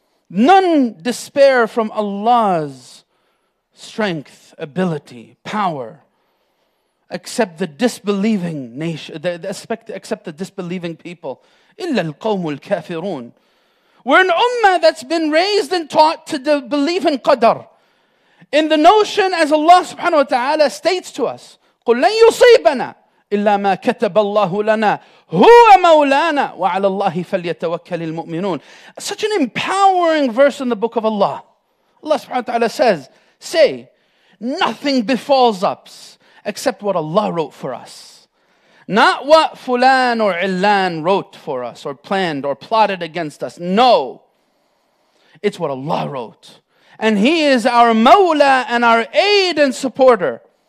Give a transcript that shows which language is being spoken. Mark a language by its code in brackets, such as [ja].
[en] None despair from Allah's strength, ability, power, except the disbelieving nation, except the disbelieving people. [ar] إِلَّا الْقَوْمُ الْكَافِرُونَ. [en] We're an ummah that's been raised and taught to believe in qadr. In the notion, as Allah subhanahu wa ta'ala states to us, [ar] قُلْ لَنْ يُصِيبَنَا إِلَّا مَا كَتَبَ اللَّهُ لَنَا هُوَ مَوْلَانَا وَعَلَى اللَّهِ فَلْيَتَوَكَّلِ الْمُؤْمِنُونَ. [en] Such an empowering verse in the book of Allah. Allah subhanahu wa ta'ala says, say, nothing befalls us except what Allah wrote for us. Not what Fulan or Ilan wrote for us or planned or plotted against us. No. It's what Allah wrote. And He is our Mawla and our aid and supporter.